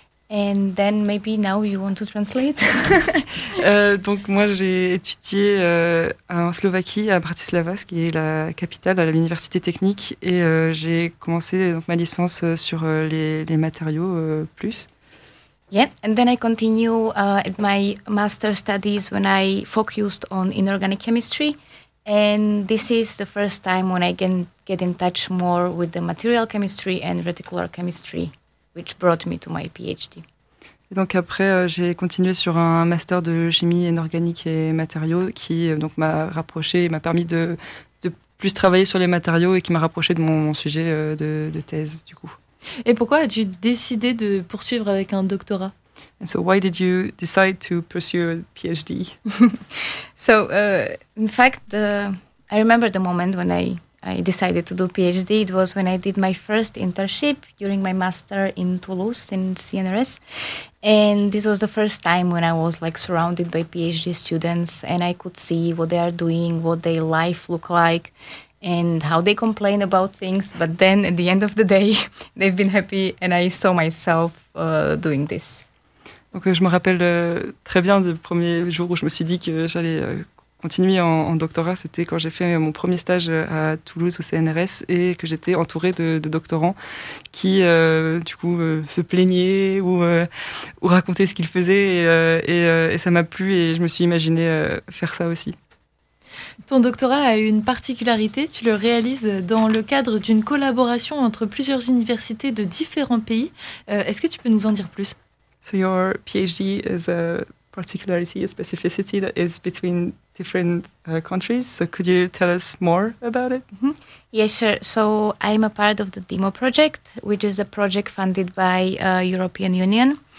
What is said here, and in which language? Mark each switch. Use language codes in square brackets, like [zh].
[en] And then maybe now you want to translate. [fr] Donc moi j'ai étudié en Slovaquie à Bratislava, ce qui est la capitale, à l'université technique, et j'ai commencé donc ma licence sur les matériaux plus. [en] Yeah, and then I continue at my master studies when I focused on inorganic chemistry. And this is the first time when I can get in touch more with the material chemistry and reticular chemistry, which brought me to my PhD. [fr] Et donc après, j'ai continué sur un master de chimie inorganique et matériaux qui donc m'a rapproché et m'a permis de plus travaillé sur les matériaux et qui m'a rapproché de mon sujet de thèse, du coup. Et pourquoi as-tu décidé de poursuivre avec un doctorat? [en] And so why did you decide to pursue a PhD? So, in fact, I remember the moment when I decided to do PhD. It was when I did my first internship during my master in Toulouse in CNRS. And this was the first time when I was like surrounded by PhD students and I could see what they are doing, what their life look like and how they complain about things. But then at the end of the day, they've been happy and I saw myself doing this. [fr] Donc je me rappelle très bien du premier jour où je me suis dit que j'allais continuer en doctorat, c'était quand j'ai fait mon premier stage à Toulouse au CNRS et que j'étais entourée de doctorants qui se plaignaient ou racontaient ce qu'ils faisaient et ça m'a plu et je me suis imaginée faire ça aussi. Ton doctorat a une particularité, tu le réalises dans le cadre d'une collaboration entre plusieurs universités de différents pays. Est-ce que tu peux nous en dire plus? [en] So your PhD is a particularity, a specificity that is between different countries. So could you tell us more about it? Mm-hmm. Yes, yeah, sure. So I'm a part of the DEMO project, which is a project funded by European Union.